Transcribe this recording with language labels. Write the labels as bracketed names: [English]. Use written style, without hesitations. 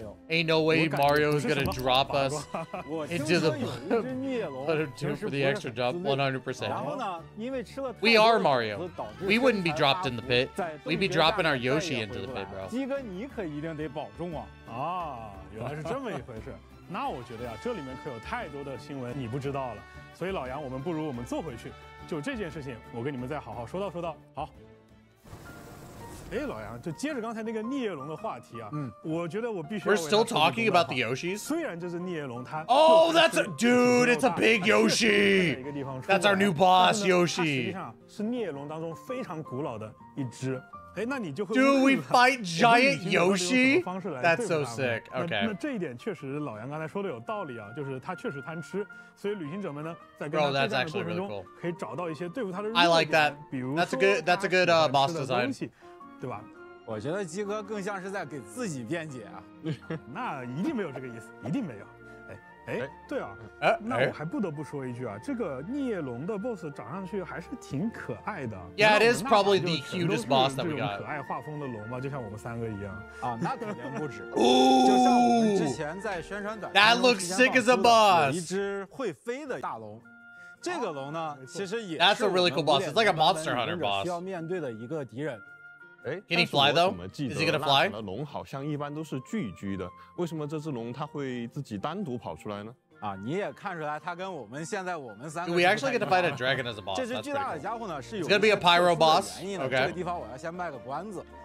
[English] Ain't no way Mario is gonna drop us into the put him two for the extra jump, 100%. We are Mario. We wouldn't be dropped in the pit. We'd be dropping our Yoshi into the pit, bro. [Chinese] Ah, 原来是这么一回事。那我觉得呀，这里面可有太多的新闻你不知道了，所以老杨，我们不如我们坐回去，就这件事情，我跟你们再好好说道说道。好。哎，老杨，就接着刚才那个涅龙的话题啊，我觉得我必须。 [English] We're still talking about the Yoshis. [Chinese] 虽然这是涅龙，它。 [English] Oh, that's a dude. It's a big Yoshi. That's our new boss, Yoshi. [Chinese] 实际上是涅龙当中非常古老的一只。哎，那你就会。 [English] Do we fight giant Yoshi? That's so sick. Okay. [Chinese] 那这一点确实，老杨刚才说的有道理啊，就是他确实贪吃，所以旅行者们呢，在跟他对战的过程中，可以找到一些对付他的弱点。 [English] I like that. That's a good boss design. [Chinese] 对吧？我觉得鸡哥更像是在给自己辩解啊。那一定没有这个意思，一定没有。哎，对啊，那我还不得不说一句啊，这个涅龙的 boss 长上去还是挺可爱的。 [English] Yeah, it is probably the cutest boss that we got. [Chinese] 可爱画风的龙嘛，就像我们三个一样啊，那肯定不止。就像我们之前在宣传短片 [English] That looks sick as a boss. [Chinese] 一只会飞的大龙，这个龙呢，其实也 [English] That's a really cool boss. It's like a monster hunter boss. [Chinese] 需要面对的一个敌人。 [English] Can he fly though? Is he gonna fly? 那 [Chinese] 龙好像一般都是聚居的，为什么这只龙它会自己单独跑出来呢？啊，你也看出来，它跟我们现在我们三个。 [English] Do we actually get to fight a dragon as a boss? [Chinese] 这只巨大的家伙呢是有。 [English] It's gonna be a pyro boss. Okay. [Chinese] 这个地方我要先卖个关子。